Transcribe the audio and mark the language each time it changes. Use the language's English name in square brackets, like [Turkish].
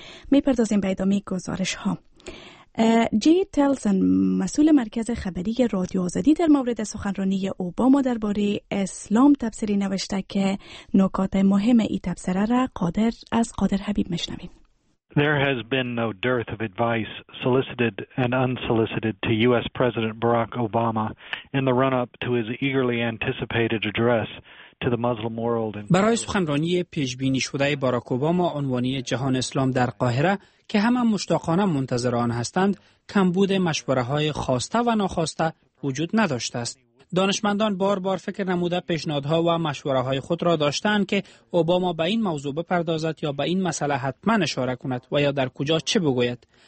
[Persian] میپردازیم به ادامه گزارش ها. جی تلسن مسئول مرکز خبری رادیو آزادی در مورد سخنرانی اوباما درباره اسلام تبصری نوشته که نکات مهم این تبصره را قادر از قادر حبیب مشنوید. [English] There has been no dearth of advice solicited and unsolicited to US President Barack Obama in the run up to his eagerly anticipated address to the Muslim world. [Persian] برای سخنرانی پیش بینی شده باراک اوباما عنوانی جهان اسلام در قاهره که همه مشتاقانه منتظر آن هستند، کمبود مشوره های خواسته و ناخواسته وجود نداشته است. دانشمندان بار بار فکر نموده پیشنهادها و مشوره های خود را داشتند که اوباما به این موضوع بپردازد یا به این مسئله حتما اشاره کند و یا در کجا چه بگوید.